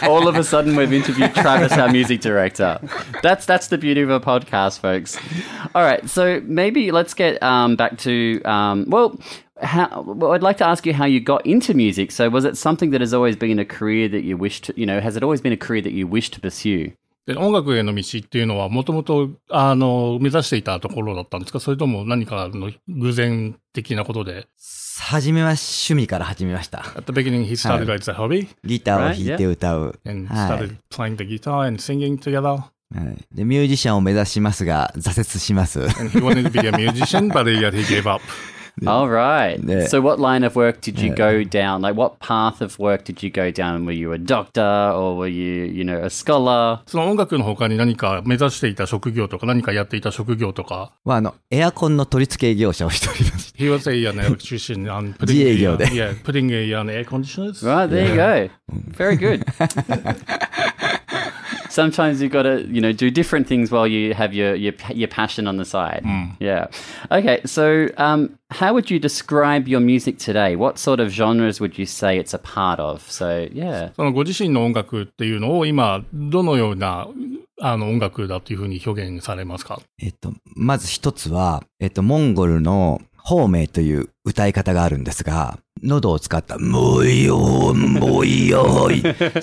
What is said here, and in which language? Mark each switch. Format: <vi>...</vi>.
<en>All of a sudden, we've interviewed Travis, our music director. That's the beauty of a podcast, folks. All right, so maybe let's get back to I'd like to ask you how you got into music. So was it something that has always been a career that you wished to, you know, has it always been a career that you wished to pursue?</en> <ja>音楽への道っていうのはもともと目指していたところだったんですか、それとも何かの偶然的なことで。初めは趣味から始めました。</ja> <en>At the beginning, he started as a hobby.</en> <ja>ギターを弾いて歌う。</ja> <en>And started playing the guitar and singing together.</en> <ja>はい。で、ミュージシャンを目指しますが、挫折します。</ja> <en>And he wanted to be a musician, but yet he gave up. All right. So what line of work did you go down? Like what path of work did you go down? Were you a doctor or were you, you know, a scholar?</en> <ja>その音楽の他に何か目指していた職業とか何かやっていた職業とか。まあ、エアコンの取り付け業者をしております。</ja> <en>He was an electrician and putting</en> <ja>自営業で。</ja> <en>Yeah, putting an air conditioners. Right, there you go. Very good. Sometimes you've got to, you know, do different things while you have your passion on the side. Yeah. Okay, so how would you describe your music today? What sort of genres would you say it's a part of? So, yeah.</en> <ja>そのご自身の音楽っていうのを今どのような音楽だというふうに表現されますか? まず一つは、モンゴルのホーメイという歌い方があるんですが、喉を使った、もういよー、もういよーい。</ja>